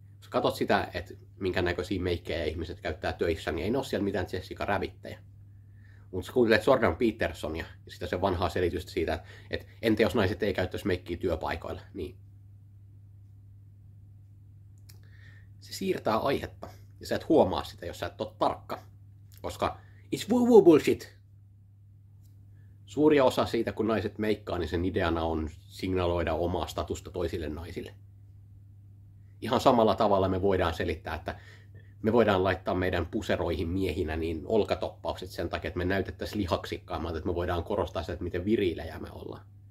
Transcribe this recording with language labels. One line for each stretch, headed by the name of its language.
Finnish: Jos katsot sitä, että minkä näköisiä meikkejä ihmiset käyttää töissä, niin ei ne ole siellä mitään Jessica Rabbittejä. Mutta sä kuulet Jordan Petersonia ja sitä se vanhaa selitystä siitä, että entä jos naiset ei käyttäisi meikkiä työpaikoilla, niin se siirtää aihetta. Ja sä et huomaa sitä, jos sä et ole tarkka. Koska
English: it's woo-woo bullshit.
Finnish: Suuri osa siitä, kun naiset meikkaa, niin sen ideana on signaloida omaa statusta toisille naisille. Ihan samalla tavalla me voidaan selittää, että me voidaan laittaa meidän puseroihin miehinä niin olkatoppaukset sen takia, että me näytettäisiin lihaksikkaammalta, että me voidaan korostaa sitä, että miten virilejä me ollaan.